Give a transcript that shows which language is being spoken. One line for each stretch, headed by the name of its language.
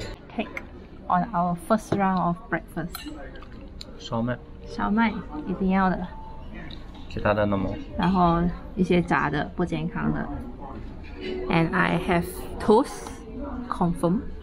English: Cake on our first round of breakfast.
Chinese: 烧麦。烧麦一定要的。其他的呢吗？然后一些炸的不健康的。
English: And I have toast, confirm.